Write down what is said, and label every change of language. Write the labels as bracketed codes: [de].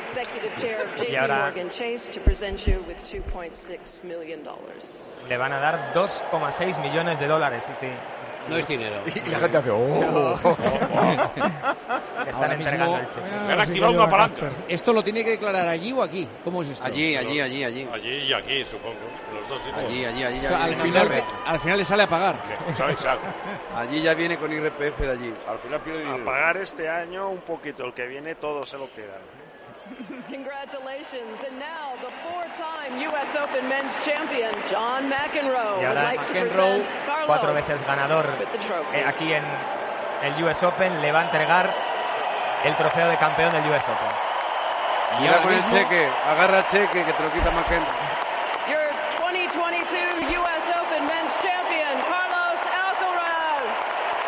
[en] executive chair of JP Morgan Chase, to present you with $2.6 million. [es] Le van a dar $2.6 millones de dólares, sí. No es dinero. Y la gente hace... ¡Oh! Están entregando el cheque. Me han activado una palanca. ¿Esto lo tiene que declarar allí o aquí? ¿Cómo es esto? Allí. Allí y aquí, supongo. Los dos sitios. Allí. O sea, al final le sale a pagar. ¿Sabes algo? Allí ya viene con IRPF de allí. Al final pierde dinero. A pagar este año un poquito. El que viene todo se lo queda. [en] Congratulations, and now the four-time U.S. Open men's champion John McEnroe. [es] Y ahora McEnroe, cuatro veces ganador aquí en el U.S. Open, le va a entregar el trofeo de campeón del U.S. Open. Y mira con mismo, el cheque, agarra el cheque que te lo quita McEnroe. [en] Your 2022 U.S. Open men's champion, Carlos Alcaraz.